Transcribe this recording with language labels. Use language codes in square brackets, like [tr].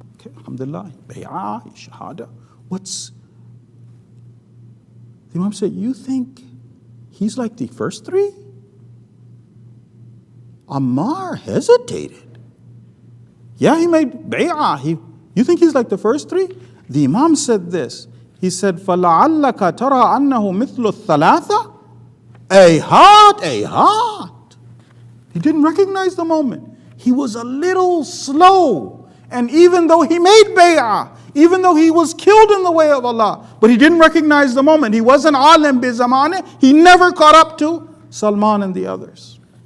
[en] Okay, alhamdulillah, bay'ah, shahada. What's, the Imam said, you think he's like the first three? Ammar hesitated. Yeah, he made bay'ah. You think he's like the first three? The Imam said this. He said, [ar] فَلَعَلَّكَ تَرَى أَنَّهُ مِثْلُ الثَّلَاثَةَ Ayhat, ayhat. [en] He didn't recognize the moment. He was a little slow. And even though he made bay'ah, even though he was killed in the way of Allah, but he didn't recognize the moment. He wasn't alim bizamani. He never caught up to Salman and the others.